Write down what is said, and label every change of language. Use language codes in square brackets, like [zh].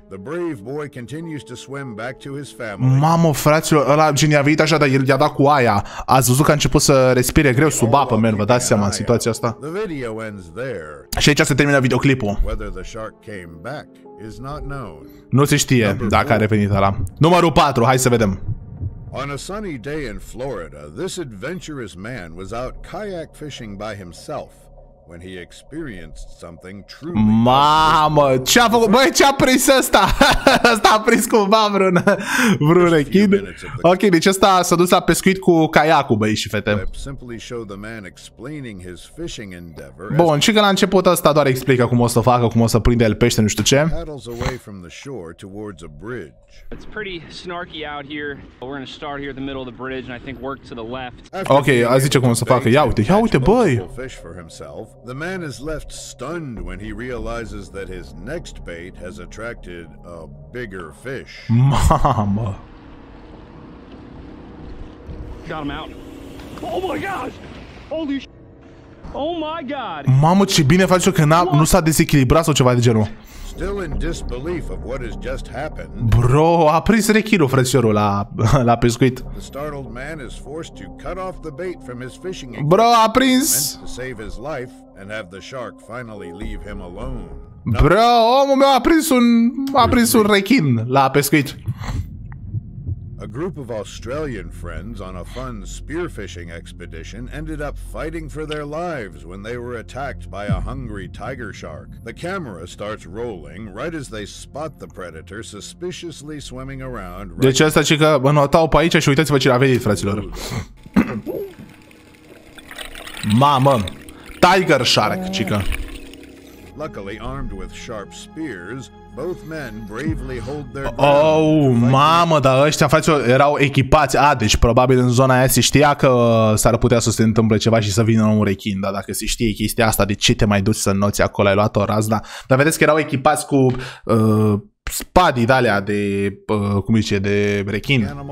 [en] The brave boy continues to swim back to his family. [ro] Mamă, fraților, ăla genii a venit așa, dar el i-a dat cu aia. Ați văzut că a început să respire greu sub apă, men, vă dați seama în situația asta. [en] The video ends there. [ro] Și aici se termină videoclipul. [en] Whether the shark came back is not known. [ro] Nu se știe dacă a revenit ăla. Numărul 4, hai să vedem. [en] On a sunny day in Florida, this adventurous man was out kayak fishing by himself when he experienced something truly. [ro] Mamă, ce a făcut? Băi, ce a prins ăsta? Ăsta a prins cumva vreun echid. Ok, deci ăsta s-a dus la pescuit cu kayakul, băi și fete. [en] Simply show the man explaining his fishing endeavor. [ro] Bun, și că la început ăsta doar explică cum o să facă, cum o să prinde el pește, nu știu ce. [en] Paddles away from the shore towards a bridge. It's pretty snarky out here. We're going to start here at the middle of the bridge and I think work to the left. [ro] Okay, a zice cum o să facă. Ia uite, băi. [en] Fish for himself. The man is left stunned when he realizes that his next bait has attracted a bigger fish. [ro] Mama. [en] Got him out. Oh my gosh. Holy sh. Oh my god. [ro] Mamă, ce bine faci că nu s-a dezechilibrat sau ceva de genul. [en] Still in disbelief of what has just happened. [ro] Bro, a prins rechirul frățiorul la pescuit. [en] The startled man is forced to cut off the bait from his fishing equipment. [ro] Bro, a prins. [en] To save his life and have the shark finally leave him alone. [ro] Bro, omul meu a prins un rechin la pescuit. [en] A group of Australian friends on a fun spearfishing expedition ended up fighting for their lives when they were attacked by a hungry tiger shark. The camera starts rolling right as they spot the predator suspiciously swimming around. [ro] Deci asta ce că mă notau pe aici și uitați-vă ce a venit, fraților. Mamă, tiger shark, chica. [en] Luckily armed with sharp spears, both men bravely hold their ground. [ro] Oh, mamă, dar ăștia, fraților, erau echipați. A, deci probabil în zona aia se știa că s-ar putea să se întâmple ceva și să vină un rechin. Dar dacă se știe chestia asta, de ce te mai duci să noți acolo? Ai luat o razna. Dar vedeți că erau echipați cu spadii d-alea de, cum zice, de rechin.